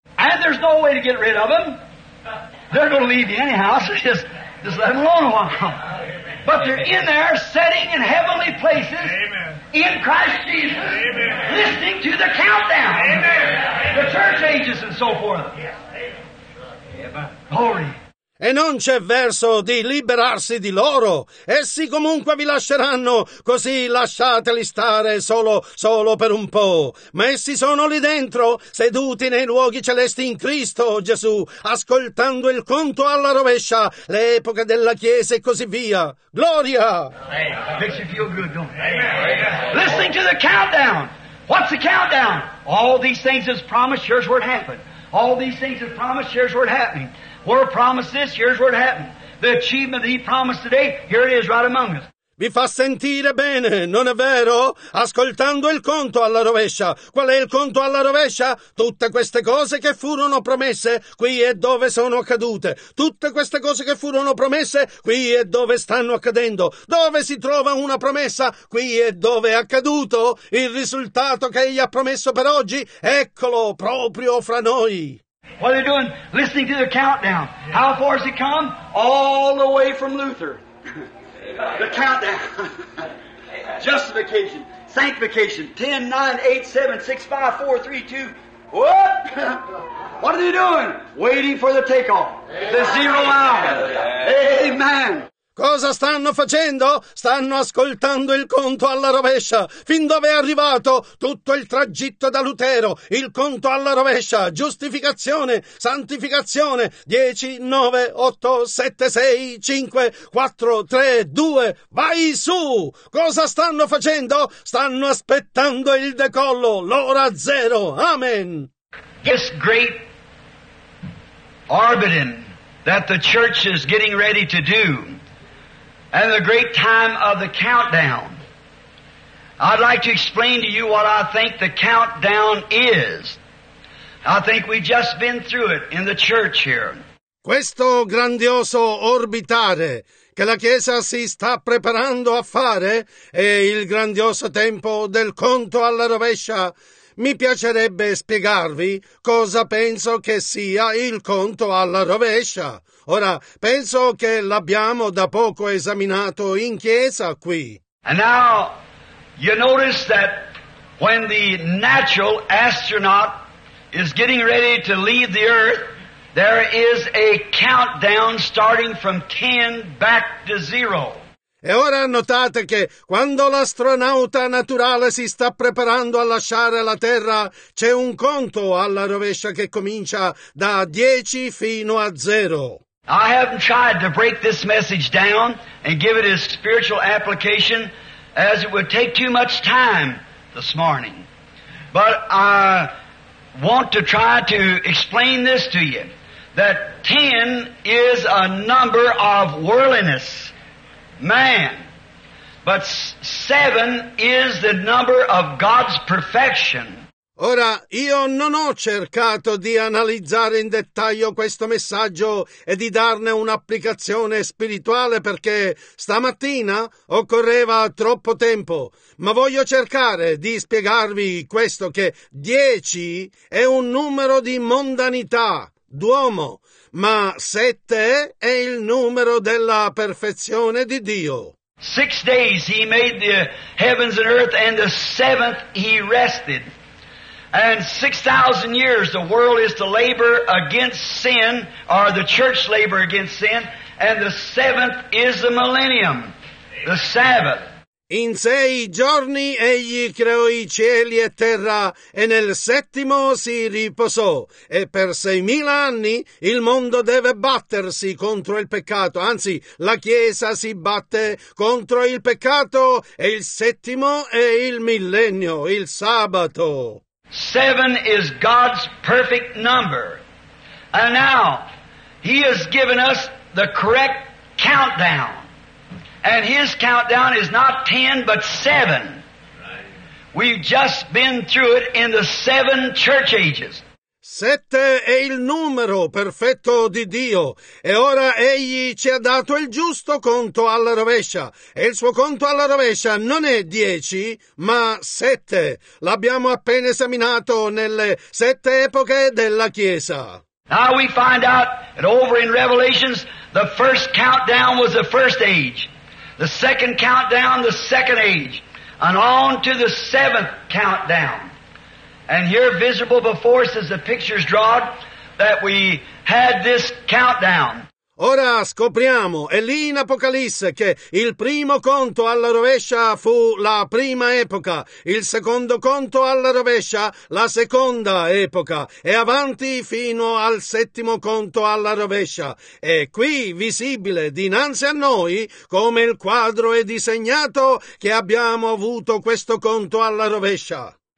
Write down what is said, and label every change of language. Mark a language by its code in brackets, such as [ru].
[en] And there's no way to get rid of them. They're going to leave you anyhow, so just let them alone a while. But they're in there, sitting in heavenly places. Amen. In Christ Jesus, amen. Listening to the countdown, amen. The church ages and so forth. Yeah. Glory. [it] E non c'è verso di liberarsi di loro. Essi comunque vi lasceranno, così lasciateli stare solo per un po'. Ma essi sono lì dentro, seduti nei luoghi celesti in Cristo, Gesù, ascoltando il conto alla rovescia, l'epoca della Chiesa e così via. Gloria! [en] Amen. Makes you feel good, don't it? Amen. Listening to the countdown. What's the countdown? All these things is promised, here's where it happened. All these things is promised, here's where it happened. We're promised this, here's what happened. The achievement that he promised today, here it is right among us. [it] Vi fa sentire bene, non è vero? Ascoltando il conto alla rovescia. Qual è il conto alla rovescia? Tutte queste cose che furono promesse, qui è dove sono accadute. Tutte queste cose che furono promesse, qui è dove stanno accadendo. Dove si trova una promessa, qui è dove è accaduto. Il risultato che egli ha promesso per oggi, eccolo proprio fra noi. [en] What are they doing? Listening to the countdown. How far has he come? All the way from Luther. The countdown. Justification. Sanctification. 10, 9, 8, 7, 6, 5, 4, 3, 2. Whoop! What are they doing? Waiting for the takeoff. The zero hour. Amen. [it] Cosa stanno facendo? Stanno ascoltando il conto alla rovescia. Fin dove è arrivato tutto il tragitto da Lutero? Il conto alla rovescia. Giustificazione. Santificazione. 10, 9, 8, 7, 6, 5, 4, 3, 2. Vai su! Cosa stanno facendo? Stanno aspettando il decollo. L'ora zero. Amen. [en] This great orbiting that the church is getting ready to do, and the great time of the countdown. I'd like to explain to you what I think the countdown is. I think we've just been through it in the church here. [it] Questo grandioso orbitare che la Chiesa si sta preparando a fare è il grandioso tempo del conto alla rovescia. Mi piacerebbe spiegarvi cosa penso che sia il conto alla rovescia. Ora, penso che l'abbiamo da poco esaminato in chiesa qui. [en] And now, you notice that when the natural astronaut is getting ready to leave the Earth, there is a countdown starting from 10 back to 0. [it] E ora notate che quando l'astronauta naturale si sta preparando a lasciare la Terra, c'è un conto alla rovescia che comincia da 10 fino a 0. [en] I haven't tried to break this message down and give it a spiritual application, as it would take too much time this morning. But I want to try to explain this to you, that 10 is a number of worldliness, man. But 7 is the number of God's perfection. [it] Ora, io non ho cercato di analizzare in dettaglio questo messaggio e di darne un'applicazione spirituale perché stamattina occorreva troppo tempo, ma voglio cercare di spiegarvi questo, che 10 è un numero di mondanità, d'uomo, ma 7 è il numero della perfezione di Dio. [en] 6 days he made the heavens and earth, and the seventh he rested. And 6,000 years the world is to labor against sin, or the church labor against sin, and the seventh is the millennium, the Sabbath. [it] In 6 giorni egli creò i cieli e terra, e nel settimo si riposò. E per 6,000 anni il mondo deve battersi contro il peccato, anzi la Chiesa si batte contro il peccato, e il settimo è il millennio, il sabato. [en] 7 is God's perfect number. And now, He has given us the correct countdown. And His countdown is not 10, but 7. We've just been through it in the 7 church ages. [it] 7 è il numero perfetto di Dio, e ora Egli ci ha dato il giusto conto alla rovescia, e il suo conto alla rovescia non è 10, ma 7. L'abbiamo appena esaminato nelle 7 epoche della Chiesa. [en] Now we find out that over in Revelations, the first countdown was the first age, the second countdown the second age, and on to the 7th countdown. And here visible before us is the pictures drawn that we had this countdown. [it] Ora scopriamo, e lì in Apocalisse, che il primo conto alla rovescia fu la prima epoca, il secondo conto alla rovescia la seconda epoca, e avanti fino al 7° conto alla rovescia. E qui visibile dinanzi a noi, come il quadro è disegnato, che abbiamo avuto questo conto alla rovescia.